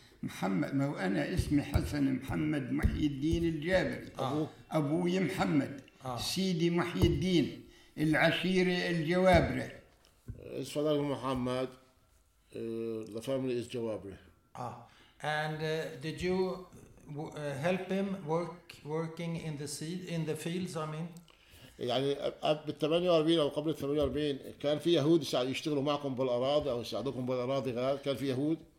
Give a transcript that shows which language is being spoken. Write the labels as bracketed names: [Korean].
[Arabic] محمد ما وأنا اسمي حسن محمد محي الدين الجابري أبوي محمد سيدي محي الدين العشيرة الجوابرة. [English] His father Muhammad, the family is Jawabri. And did you help him working in the seed in the fields? I mean. [Arabic] يعني بال 48 أو قبل 48 كان في يهود يشتغلوا معكم بالأراضي أو يساعدوكم بالأراضي غير كان في يهود.